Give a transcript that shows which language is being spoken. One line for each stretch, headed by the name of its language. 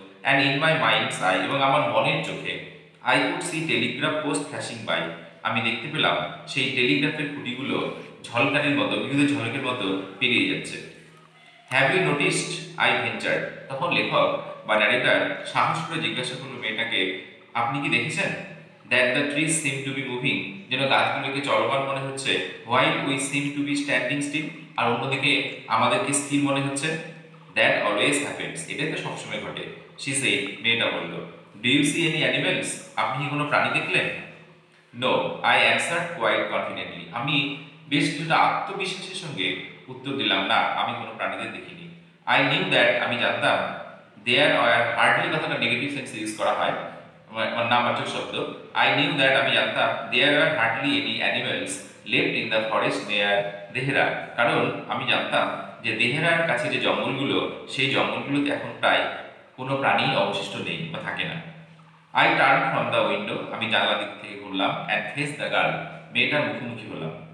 English: and in my mind's eye,
Bangla: এবং আমার মনের চোখে,
English: I could see telegraph post flashing by,
Bangla: আমি দেখতে পেলাম সেই টেলিগ্রাফের খুঁটিগুলো ঝলকানির মতো, বিভিন্ন ঝলকের মতো পেরিয়ে যাচ্ছে।
English: have you noticed I venture,
Bangla: তখন লেখক বা ন্যারেটর সাহস করে জিজ্ঞাসা করল মেয়েটাকে, আপনি কি দেখেছেন?
English: That the trees seem to be moving,
Bangla: যেন গাছগুলোকে চলমান মনে হচ্ছে।
English: While we seem to be standing still,
Bangla: আর অন্যদিকে আমাদেরকে স্থির মনে হচ্ছে। That always happens, এটাই তো সবসময় ঘটে, she said, মেয়েটা বলল।
English: Do you see any animals,
Bangla: আপনি কি কোনো প্রাণী দেখলেন?
English: No, I answered quite confidently,
Bangla: আমি বেশ কিছুটা আত্মবিশ্বাসের সঙ্গে উত্তর দিলাম, না আমি কোনো প্রাণীদের দেখিনি।
English: I knew that,
Bangla: আমি জানতাম।
English: There were hardly, কথাটা negative sense use
Bangla: করা হয়, নামাচক শব্দ।
English: I knew that,
Bangla: আমি জানতাম।
English: there are hardly any animals left in the forest near Dehra,
Bangla: কারণ আমি জানতাম যে দেহরার কাছে যে জঙ্গলগুলো, সেই জঙ্গলগুলোতে এখন প্রায় কোনো প্রাণী অবশিষ্ট নেই বা থাকে না।
English: I turn from the window,
Bangla: আমি জানলা দিক থেকে ঘুরলাম।
English: and face the girl,
Bangla: মেয়েটার মুখোমুখি হলাম।